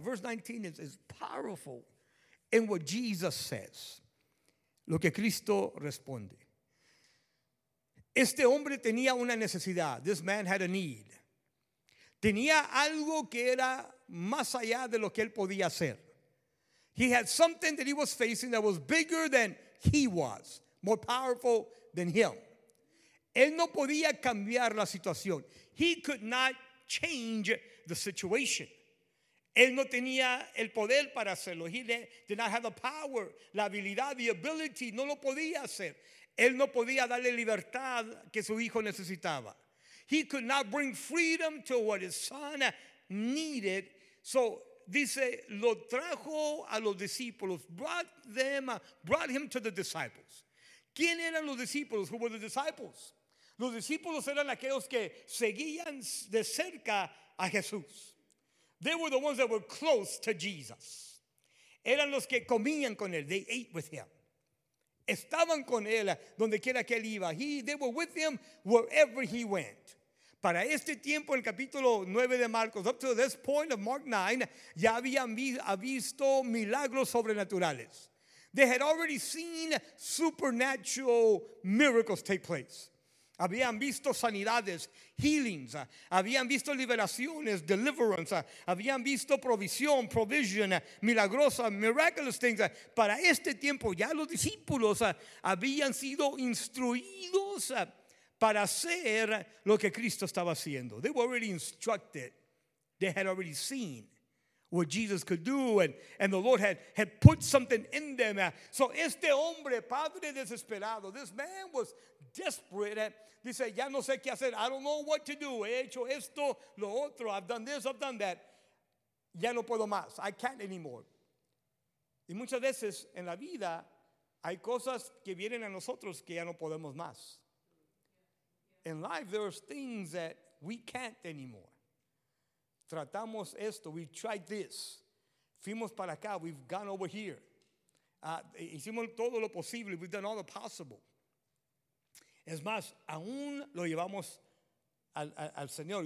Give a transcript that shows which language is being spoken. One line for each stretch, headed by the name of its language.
English: Verse 19 is powerful in what Jesus says.
Spanish: Lo que Cristo responde. Este hombre tenía una necesidad.
English: This man had a need.
Spanish: Tenía algo que era más allá de lo que él podía hacer.
English: He had something that he was facing that was bigger than he was, more powerful than him.
Spanish: Él no podía cambiar la situación.
English: He could not change the situation.
Spanish: Él no tenía el poder para hacerlo.
English: He did not have the power,
Spanish: la habilidad,
English: the ability.
Spanish: No lo podía hacer. Él no podía darle libertad que su hijo necesitaba.
English: He could not bring freedom to what his son needed.
Spanish: So, dice, lo trajo a los discípulos.
English: Brought him to the disciples.
Spanish: ¿Quién eran los discípulos?
English: Who were the disciples?
Spanish: Los discípulos eran aquellos que seguían de cerca a Jesús.
English: They were the ones that were close to Jesus.
Spanish: Eran los que comían con él.
English: They ate with him.
Spanish: Estaban con él donde quiera que él iba.
English: They were with him wherever he went.
Spanish: Para este tiempo, en el capítulo 9 de Marcos,
English: up to this point of Mark 9,
Spanish: ya habían visto milagros sobrenaturales.
English: They had already seen supernatural miracles take place.
Spanish: Habían visto sanidades, healings. Habían visto liberaciones, deliverance. Habían visto provisión, provision, milagrosa, miraculous things. Para este tiempo, ya los discípulos habían sido instruidos para hacer lo que Cristo estaba haciendo.
English: They were already instructed. They had already seen what Jesus could do, and the Lord had put something in them.
Spanish: So este hombre, padre desesperado,
English: this man was desperate.
Spanish: Dice, ya no sé qué hacer.
English: I don't know what to do.
Spanish: He hecho esto, lo otro.
English: I've done this, I've done that.
Spanish: Ya no puedo más.
English: I can't anymore.
Spanish: Y muchas veces en la vida hay cosas que vienen a nosotros que ya no podemos más.
English: In life, there's things that we can't anymore.
Spanish: Tratamos esto.
English: We tried this.
Spanish: Fuimos para acá.
English: We've gone over here.
Spanish: Hicimos todo lo posible.
English: We've done all the possible.
Spanish: Es más, aún lo llevamos al Señor.